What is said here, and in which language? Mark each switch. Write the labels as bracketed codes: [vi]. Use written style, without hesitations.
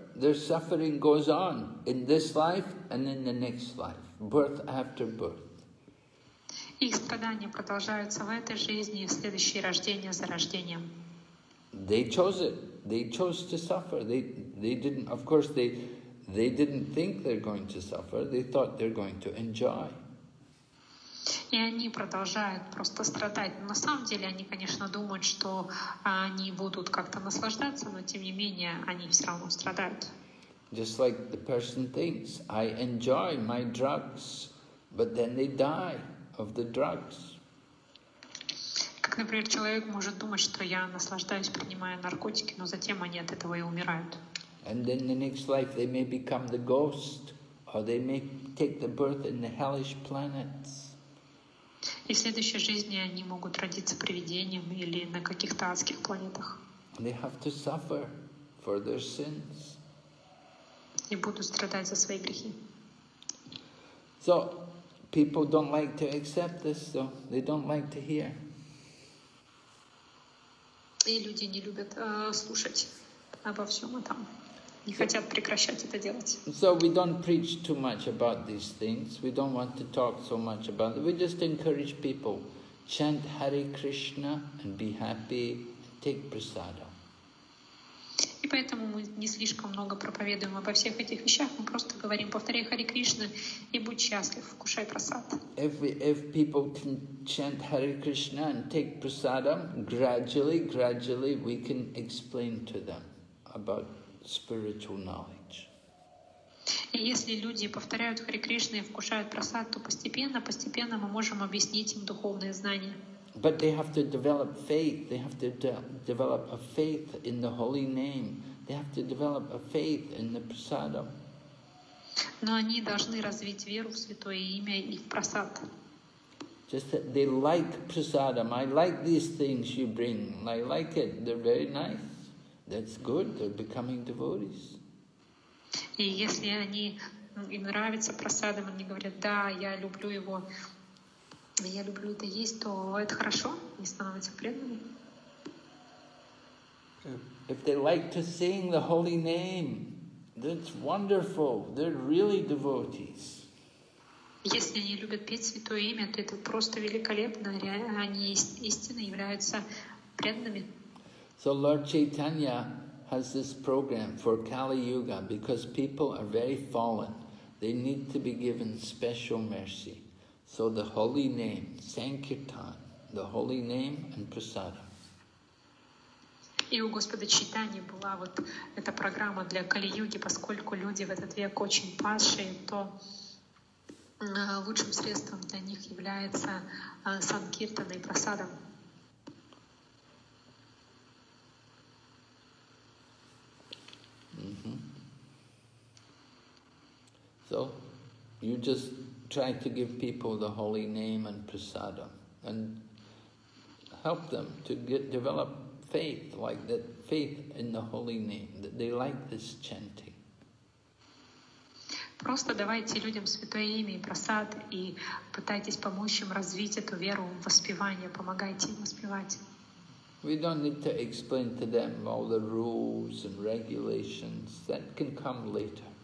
[en] Their suffering goes on in this life and in the next life, birth after birth. [ru] Их страдания продолжаются в этой жизни и в следующие рождения за рождением. [en] They chose it. They chose to suffer. They didn't. Of course, they didn't think they're going to suffer. They thought they're going to enjoy. [ru] И они продолжают просто страдать. Но на самом деле они, конечно, думают, что они будут как-то наслаждаться, но тем не менее они все равно страдают. [en] Just like the person thinks, I enjoy my drugs, but then they die. Of the drugs. [ru] Как, например, человек может думать, что я наслаждаюсь, принимая наркотики, но затем они от этого и умирают. [en] And then the next life they may become the ghost, or they may take the birth in the hellish planets. [ru] И в следующей жизни они могут родиться привидением или на каких-то адских планетах. [en] They have to suffer for their sins. [ru] И будут страдать за свои грехи. [en] So. People don't like to accept this, so they don't like to hear. [ru] И люди не любят слушать обо всем этом. Не хотят прекращать это делать. [en] So we don't preach too much about these things. We don't want to talk so much about it. We just encourage people, chant Hare Krishna and be happy, take prasada. [ru] И поэтому мы не слишком много проповедуем обо всех этих вещах. Мы просто говорим, повторяй Хари Кришна и будь счастлив, вкушай прасад. [en] If people can chant Hare Krishna and take prasadam, gradually we can explain to them about spiritual knowledge. [ru] И если люди повторяют Хари Кришна и вкушают прасад, то постепенно мы можем объяснить им духовные знания. [en] But they have to develop faith. They have to develop a faith in the holy name. They have to develop a faith in the prasadam. [ru] Но они должны развить веру в святое имя и в прасад. [en] Just that they like prasadam. I like these things you bring. I like it. They're very nice. That's good. They're becoming devotees. [ru] И если они им нравится прасадам, они говорят: да, я люблю его. Я люблю это есть, то это хорошо, не становится преданным. [en] If they like to sing the holy name, that's wonderful. They're really devotees. [ru] Если они любят петь святое имя, то это просто великолепно. Они истинно являются преданными. [en] So Lord Chaitanya has this program for Kali Yuga because people are very fallen. They need to be given special mercy. So the holy name, Sankirtan, the holy name and prasada. [ru] И у Господа Чайтаньи была вот эта программа для Кали-юги, поскольку люди в этот век очень падшие, то лучшим средством для них является Санкиртана и прасада. [en] So, you just try to give people the holy name and prasadam. and help them to get develop faith, like that faith in the holy name, that they like this chanting. [ru] Просто давайте людям святое имя и просад, и пытайтесь помочь им развить эту веру в воспевание, помогайте им воспевать. [en] We don't need to explain to them all the rules and regulations that can come later.